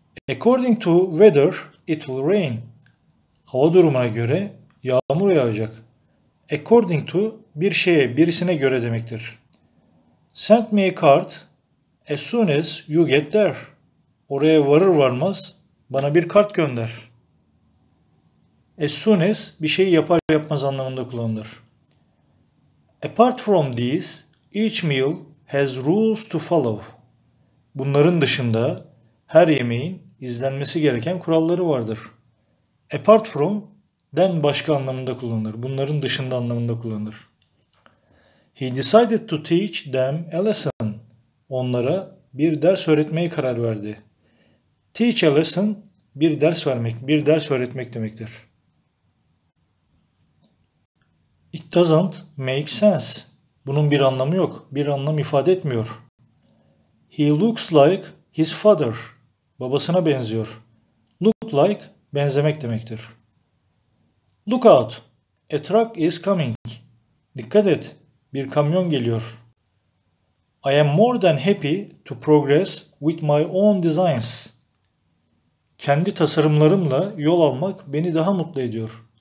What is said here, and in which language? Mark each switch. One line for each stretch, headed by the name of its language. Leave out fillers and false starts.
English: According to weather, it will rain.
Turkish: Hava durumuna göre yağmur yağacak.
English: According to
Turkish: bir şeye, birisine göre demektir.
English: Send me a card as soon as you get there.
Turkish: Oraya varır varmaz bana bir kart gönder.
English: As soon as
Turkish: bir şeyi yapar yapmaz anlamında kullanılır.
English: Apart from these, each meal has rules to follow.
Turkish: Bunların dışında her yemeğin izlenmesi gereken kuralları vardır.
English: Apart from,
Turkish: then başka anlamında kullanılır. Bunların dışında anlamında kullanılır.
English: He decided to teach them a lesson.
Turkish: Onlara bir ders öğretmeye karar verdi.
English: Teach a lesson,
Turkish: bir ders vermek, bir ders öğretmek demektir.
English: It doesn't make sense.
Turkish: Bunun bir anlamı yok, bir anlam ifade etmiyor.
English: He looks like his father.
Turkish: Babasına benziyor.
English: Look like,
Turkish: benzemek demektir.
English: Look out, a truck is coming.
Turkish: Dikkat et, bir kamyon geliyor.
English: I am more than happy to progress with my own designs.
Turkish: Kendi tasarımlarımla yol almak beni daha mutlu ediyor.